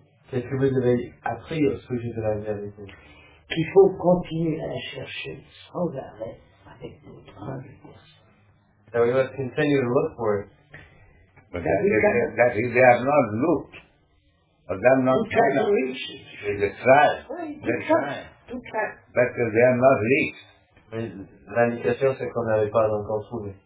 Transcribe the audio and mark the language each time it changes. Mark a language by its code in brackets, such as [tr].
[fr] Qu'est-ce que vous avez appris au sujet de la vérité? Qu'il faut continuer à chercher sans arrêt avec notre intelligence. [en] That we must continue to look for it. But that if they have not looked, or they have not tried, they try. But they have not reached. [fr] Mais l'indication c'est qu'on n'avait pas encore trouvé.